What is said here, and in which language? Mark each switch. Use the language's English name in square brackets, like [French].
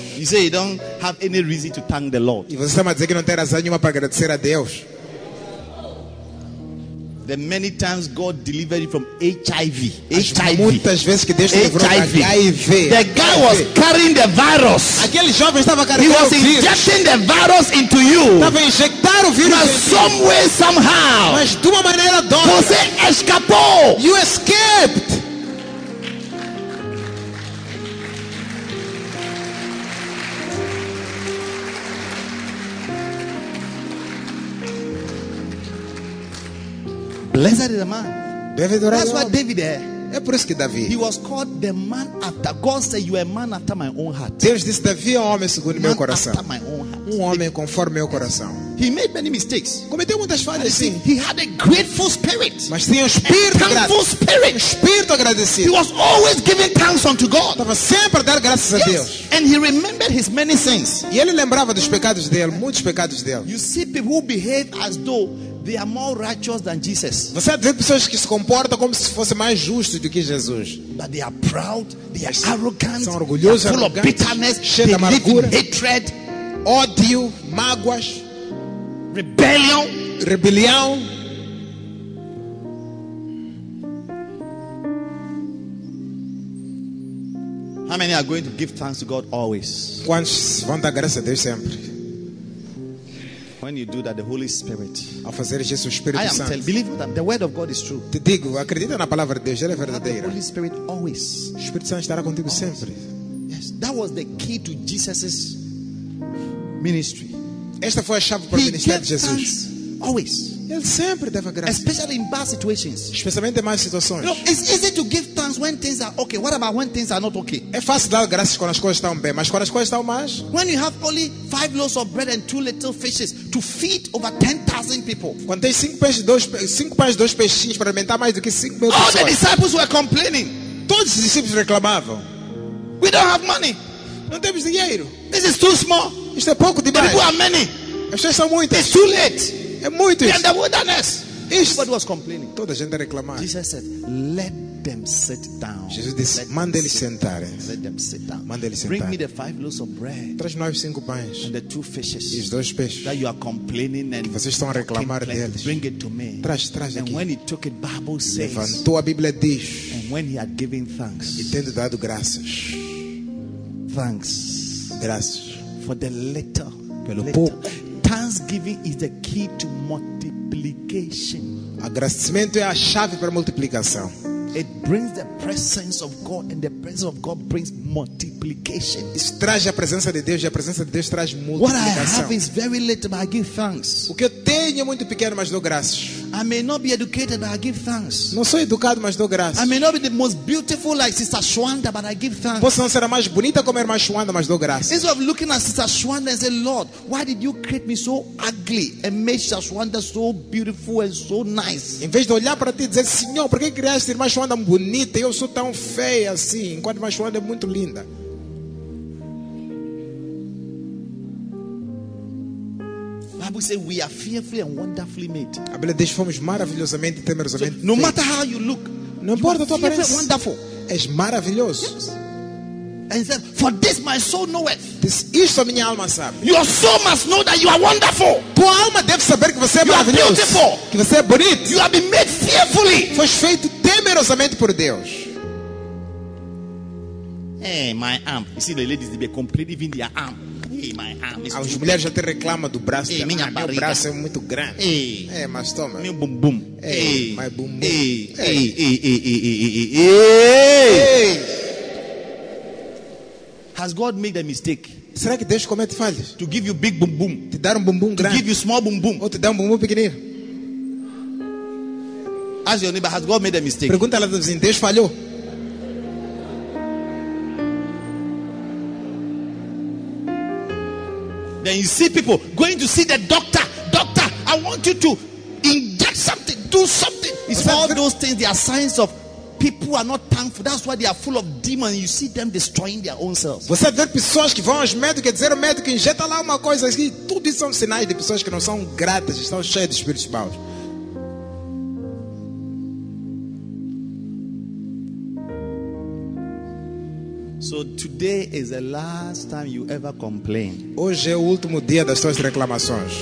[English] You say you don't have any reason to thank the Lord. [Portuguese] E você está a dizer que não tem razão nenhuma para agradecer a Deus. [English] The many times God delivered you from HIV. [Portuguese] As muitas vezes que Deus te livrou de HIV. [English] The guy HIV. Was carrying the virus. [Portuguese] Aquele jovem estava carregando o vírus. [English] He was injecting the virus into you. [Portuguese] Estava injetar o vírus. [English] But some way, somehow. [Portuguese] Mas de uma maneira ou outra. Você escapou. [English] You escaped. Blessed is the man. That's why David there. [Portuguese] É por isso que Davi. [English] He was called the man after God said, "You are a man after my own heart." [Portuguese] Deus disse, Davi é um homem segundo meu coração. [English] After my own heart. [Portuguese] Um homem conforme meu coração. [English] He made many mistakes. [Portuguese] Cometeu muitas falhas. Sim. [English] He had a grateful spirit. [Portuguese] Mas tinha um espírito [English] grato. Thankful spirit. [Portuguese] Um espírito agradecido. [English] He was always giving thanks unto God. [Portuguese] Estava sempre a dar graças a Deus. [English] And he remembered his many sins. [Portuguese] E ele lembrava dos pecados dele, muitos pecados dele. [English] You see people who behave as though they are more righteous than Jesus. [Portuguese] Você vê pessoas que se comportam como se fosse mais justo do que Jesus. [English] But they are proud, they are arrogant, [Portuguese] são orgulhosos, full of bitterness, cheio de amargura, hatred, ódio, mágoas, rebelião. [English] How many are going to give thanks to God always? [Portuguese] Quantos vão dar graça a Deus sempre? [English] When you do that, the Holy Spirit. [Portuguese] Ao fazer isso, o Espírito [English] Santo. I am telling, believe that the word of God is true. [Portuguese] Te digo, acredita na palavra de Deus, ela é verdadeira. [English] The Holy Spirit always. [Portuguese] O Espírito Santo estará contigo always. Sempre. [English] Yes, that was the key to Jesus's ministry. [Portuguese] Esta foi a chave para o ministério de Jesus. [English] Always. [Portuguese] Ele sempre deve agradecer. Especially in bad situations. Especialmente em más situações. [English] You know, it's easy to give thanks when things are okay. What about when things are not okay? [Portuguese] É fácil dar graças quando as coisas estão bem, mas quando as coisas estão más? [English] When you have only 5 loaves of bread and 2 little fishes to feed over 10,000 people. [Portuguese] Quando tem 5 pães e 2 peixinhos para alimentar mais do que 5,000 pessoas. [English] All the disciples were complaining. [Portuguese] Todos os discípulos reclamavam. [English] We don't have money. [Portuguese] Não temos dinheiro. [English] This is too small. [Portuguese] Isto é pouco demais. [English] The people are many. [Portuguese] As pessoas são muitas. [English] It's too late. [Portuguese] É muito isso. [English] In the wilderness. [Portuguese] Isso. [English] Everybody was complaining. [Portuguese] Toda a gente a reclamar. [English] Jesus said, "Let them sit down." [Portuguese] Jesus disse, "Mande eles sentarem." [English] Let them sit down. [Portuguese] Mande eles sentar. [English] Bring me the 5 loaves of bread. [Portuguese] Traz-nos 5 pães. [English] And the 2 fishes. [Portuguese] E os 2 peixes. [English] That you are complaining and [Portuguese] que vocês estão a reclamar deles. [English] Bring it to me. [Portuguese] Traz [English] aqui. And when he took it, Bible says. [Portuguese] Levantou a Bíblia diz. [English] And when he had given thanks. [Portuguese] E tendo dado graças. [English] Thanks. [Portuguese] Graças. [English] For the little. [Portuguese] Pelo [English] little. [Portuguese] Pouco. [English] Thanksgiving is the key to multiplication. [Portuguese] Agradecimento é a chave para a multiplicação. [English] It brings the presence of God, and the presence of God brings multiplication. [Portuguese] Isso traz a presença de Deus, e a presença de Deus traz multiplicação. [English] What I have is very little, but I give thanks. [Portuguese] O que eu tenho é muito pequeno, mas dou graças. [English] I may not be educated, but I give thanks. [Portuguese] Não sou educado, mas dou graças. [English] I may not be the most beautiful like Sister Shwanda, but I give thanks. [Portuguese] Posso não ser a mais bonita como a irmã Shwanda, mas dou graças. [English] Instead of looking at Sister Shwanda and say, Lord, why did you create me so ugly and make Sister Shwanda so beautiful and so nice? [Portuguese] Em vez de olhar para ti e dizer, Senhor, por que criaste a irmã Shwanda bonita e eu sou tão feia assim, enquanto a irmã Shwanda é muito linda? A Bíblia diz: fomos maravilhosamente e temerosamente. [English] No matter how you look, [Portuguese] não importa a tua aparência, [English] wonderful. [Portuguese] És maravilhoso. [English] Yes. And said, for this my soul knoweth. [Portuguese] Isso a minha alma sabe. [English] Your soul must know that you are wonderful. [Portuguese] Tua alma deve saber que você é maravilhoso. Que você é bonito. [English] You have been made fearfully. [Portuguese] Foi feito temerosamente por Deus. [English] Hey, my arm. You see, the ladies they be complete even their arm. Hey, my arm. [Portuguese] As mulheres já te reclamam do braço. Hey, minha barriga. Meu braço é muito grande. Hey. Hey, mas toma. Meu bumbum. [English] Hey. Hey. My bumbum. Hey. Hey. Hey. Hey. Hey. Hey. Hey. Hey. Hey. Has God made a mistake? [Portuguese] Será que Deus comete falhas? [English] To give you big bumbum. [Portuguese] Te dar bumbum grande. [English] To give you small bumbum. [Portuguese] Ou te dar bumbum pequenino. [English] Ask your neighbor, has God made a mistake? [Portuguese] Pergunta lá do vizinho, Deus falhou? [English] And you see people going to see the doctor. Doctor, I want you to inject something, do something. It's all those things. They are signs of people who are not thankful. That's why they are full of demons. You see them destroying their own selves. [Portuguese] Você vê pessoas que vão aos médicos, dizer ao médico, injeta lá uma coisa. Tudo isso são sinais de pessoas que não são gratas, estão cheias de espíritos maus. [English] So today is the last time you ever complain. [Portuguese] Hoje é o último dia das suas reclamações.